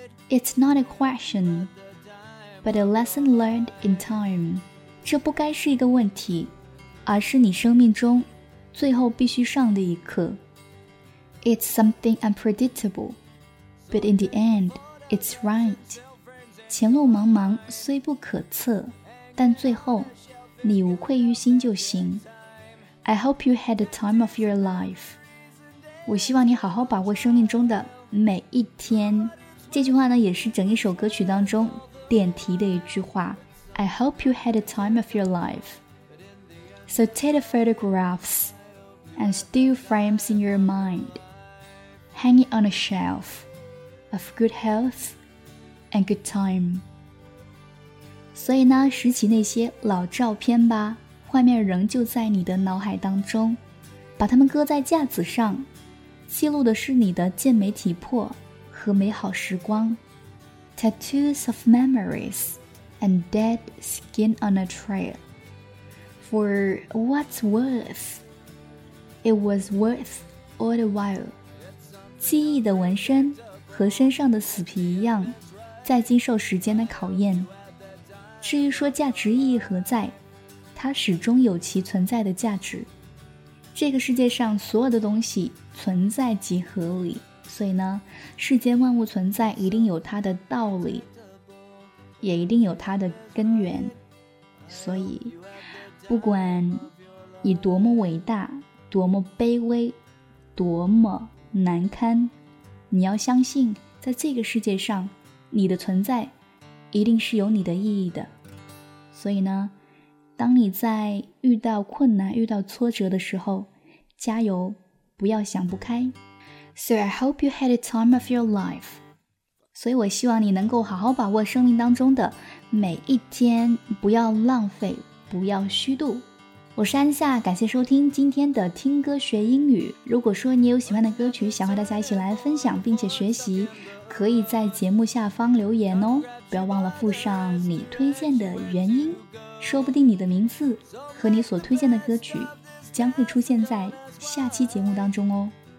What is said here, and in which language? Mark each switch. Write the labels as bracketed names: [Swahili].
[English] It's not a question but a lesson learned in time, [Chinese] 这不该是一个问题，而是你生命中最后必须上的一课。 [English] It's something unpredictable, But in the end, it's right. [Chinese] 前路茫茫虽不可测，但最后你无愧于心就行。 [English] I hope you had the time of your life. [Chinese] 我希望你好好把握生命中的每一天。这句话呢，也是整一首歌曲当中点题的一句话。 [English] I hope you had the time of your life. So take the photographs and still frames in your mind. Hang it on a shelf of good health and good time. [Chinese] 所以呢，拾起那些老照片吧，画面仍旧在你的脑海当中，把它们搁在架子上，记录的是你的健美体魄和美好时光。 [English] Tattoos of memoriesAnd dead skin on a trail. For what's worth? It was worth all the while. [Chinese] 记忆的纹身和身上的死皮一样，在经受时间的考验。至于说价值意义何在，它始终有其存在的价值。这个世界上所有的东西存在即合理，所以呢，世间万物存在一定有它的道理。也一定有它的根源，所以不管你多么伟大，多么卑微，多么难堪，你要相信在这个世界上你的存在一定是有你的意义的。所以呢，当你在遇到困难，遇到挫折的时候，加油，不要想不开。 [English] So I hope you had the time of your life. [Chinese] 所以我希望你能够好好把握生命当中的每一天，不要浪费，不要虚度。我是安夏，感谢收听今天的听歌学英语。如果说你有喜欢的歌曲想和大家一起来分享并且学习，可以在节目下方留言哦，不要忘了附上你推荐的原因，说不定你的名字和你所推荐的歌曲将会出现在下期节目当中哦。